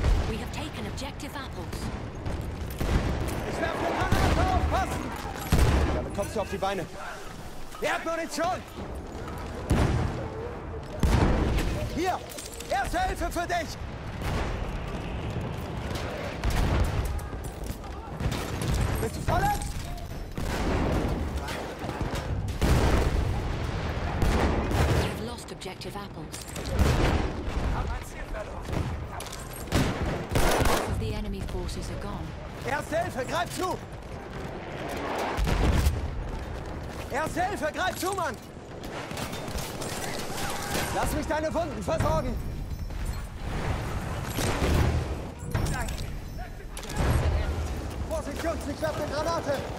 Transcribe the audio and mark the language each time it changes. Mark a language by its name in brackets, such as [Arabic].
[English] We have taken objective apples. [German] Ich werfe eine Granate, aufpassen! Damit kommst du auf die Beine. Er hat Munition! Hier! Erste Hilfe für dich! Bist du verletzt? [English] We have lost objective apples. Half of the enemy forces are gone. [German] Erste Hilfe, greif zu! Erste Hilfe, greif zu, Mann! Lass mich deine Wunden versorgen! Vorsicht, Jungs, ich werfe eine Granate!